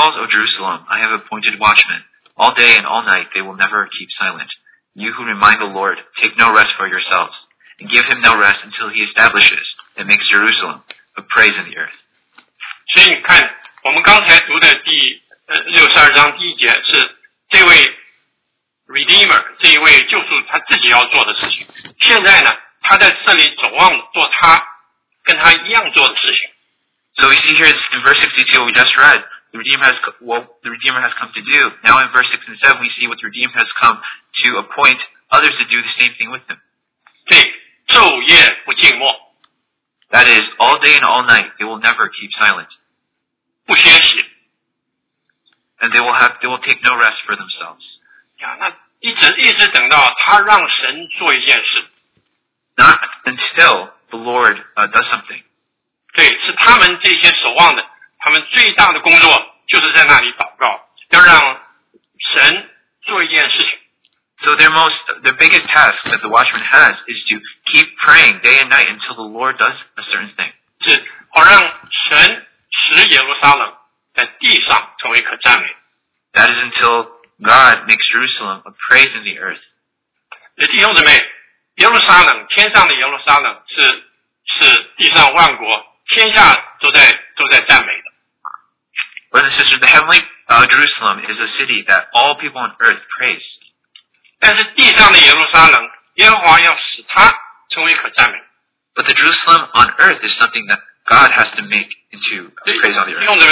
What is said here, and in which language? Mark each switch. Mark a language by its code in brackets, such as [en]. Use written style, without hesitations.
[en] your walls, O Jerusalem, I have appointed watchmen. All day and all night they will never keep silent. You who remind the Lord, take no rest for yourselves. And give him no rest until he establishes and makes Jerusalem a praise in the earth. [zh] 所以你看，我们刚才读的第62章第一节是这位 Redeemer 这一位救赎他自己要做的事情。现在呢，他在这里守望做他跟他一样做的事情。So [en] we see here in verse 62 we just read, the Redeemer has come to do. Now in verse 6 and 7 we see what the Redeemer has come to appoint others to do the same thing with him. [zh] 对。昼夜不静默, [en] that is, all day and all night, they will never keep silent. [zh] 不歇息, [en] and they will take no rest for themselves. [zh] 呀,那一直等到他让神做一件事, [en] not until the Lord does something. [zh] 对,是他们这些守望的,他们最大的工作就是在那里祷告,要让神做一件事情。 [en] So their biggest task that the watchman has is to keep praying day and night until the Lord does a certain thing. [zh] 是好让神使耶路撒冷在地上成为可赞美. [en] That is until God makes Jerusalem a praise in the earth. [zh] 弟兄姊妹，耶路撒冷天上的耶路撒冷是地上万国天下都在赞美的. [en] Brothers and sisters, the heavenly Jerusalem is a city that all people on earth praise. [zh] 但是地上的耶路撒冷，耶和华要使它成为可赞美。But [en] the Jerusalem on earth is something that God has to make into praise on the earth.